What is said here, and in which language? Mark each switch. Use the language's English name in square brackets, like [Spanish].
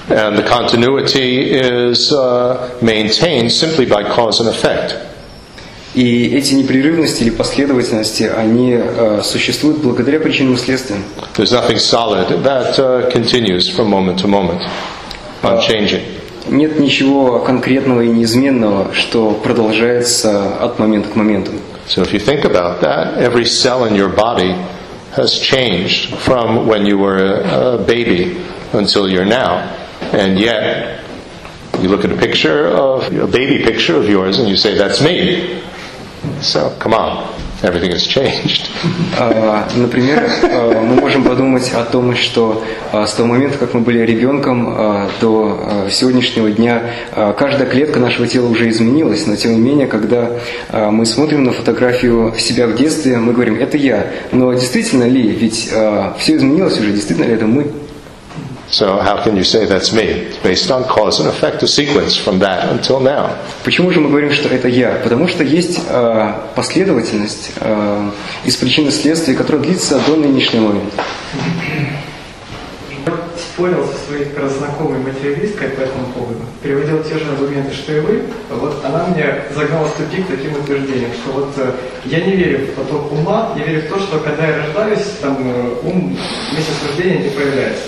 [English] And the continuity is maintained simply by cause and effect. [Russian] И эти непрерывности или последовательности, они существуют благодаря причинам и следствиям. [English] There's nothing solid that continues from moment to moment, unchanging. [Russian] Нет ничего конкретного и неизменного, что продолжается от момента к моменту. [English] So if you think about that, every cell in your body has changed from when you were a baby until you're now. And yet, You look at a picture of a baby picture of yours and you say, that's me. So, come on. Everything has changed. [Russian] Например, мы можем подумать о том, что с того момента, как мы были ребенком, до сегодняшнего дня, каждая клетка нашего тела уже изменилась. Но тем не менее, когда мы смотрим на фотографию себя в детстве, мы говорим, это я. Но действительно ли? Ведь все изменилось уже. Действительно ли это мы? [English] So how can you say that's me? It's based on cause and effect, a sequence from that until now. [Russian] Почему же мы говорим, что это я? Потому что есть последовательность из причины следствия, которая длится до нынешнего момента. Я спорил со своей знакомой материалисткой по этому поводу, приводил те же аргументы, что и вы. Вот она мне загнала в тупик таким утверждением, что вот я не верю в поток ума, я верю в то, что когда я рождаюсь, там ум вместе с рождением не появляется.